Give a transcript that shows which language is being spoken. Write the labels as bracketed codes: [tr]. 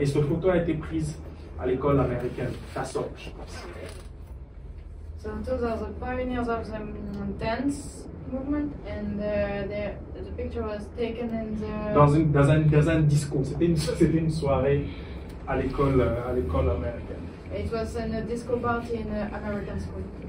[fr] Et cette photo a été prise à l'école américaine, TASOP, je pense. [en] So, those are the pioneers of the dance movement, and the picture was taken in the... [fr] Dans un disco, c'était une soirée. À l'école américaine. [en] It was in a disco party in an American school.